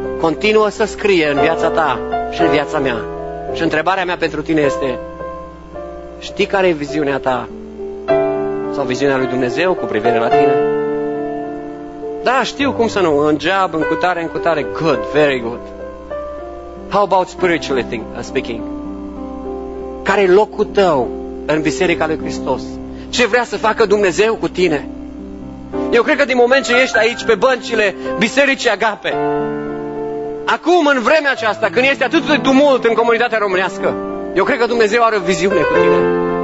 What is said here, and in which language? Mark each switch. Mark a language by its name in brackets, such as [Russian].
[Romanian] Continuă să scrie în viața ta și în viața mea. Și întrebarea mea pentru tine este, știi care e viziunea ta sau viziunea lui Dumnezeu cu privire la tine? Da, știu, cum să nu, în job, în cutare, [English] good, very good. How about spiritually speaking? [Romanian] Care e locul tău în Biserica lui Hristos? Ce vrea să facă Dumnezeu cu tine? Eu cred că din moment ce ești aici pe băncile Bisericii Agape, acum, în vremea aceasta, când este atât de tumult în comunitatea românească, eu cred că Dumnezeu are o viziune cu tine.